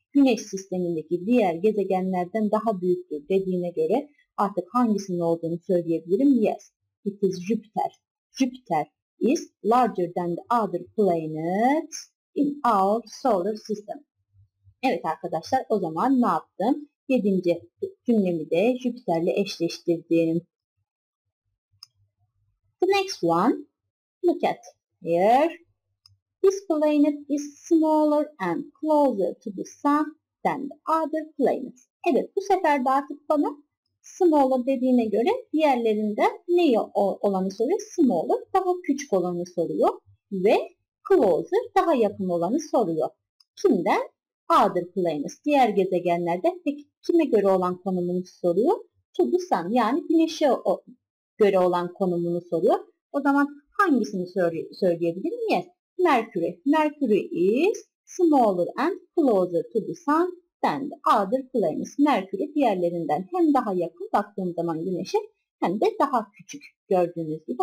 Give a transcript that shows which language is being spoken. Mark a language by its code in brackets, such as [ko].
[tr] Güneş sistemindeki diğer gezegenlerden daha büyüktür dediğine göre artık hangisinin olduğunu söyleyebilirim. [en] Yes, it is Jupiter. Jupiter is larger than the other planets in our solar system. [tr] Evet arkadaşlar, o zaman ne yaptım? Yedinci cümlemi de Jüpiter'le eşleştirdim. [en] The next one. Look at here. This planet is smaller and closer to the sun than the other planets. [tr] Evet, bu sefer de artık bana smaller dediğine göre diğerlerinde neyi olanı soruyor? Smaller, daha küçük olanı soruyor. Ve closer, daha yakın olanı soruyor. Kimden? [en] Other planets, [tr] diğer gezegenlerde. Peki kime göre olan konumunu soruyor? [en] To the sun, [tr] yani güneşe göre olan konumunu soruyor. O zaman hangisini söyleyebilirim? [en] Yes, Mercury. Mercury is smaller and closer to the sun than the other planets. [tr] Mercury diğerlerinden hem daha yakın baktığım zaman güneşe hem de daha küçük gördüğünüz gibi.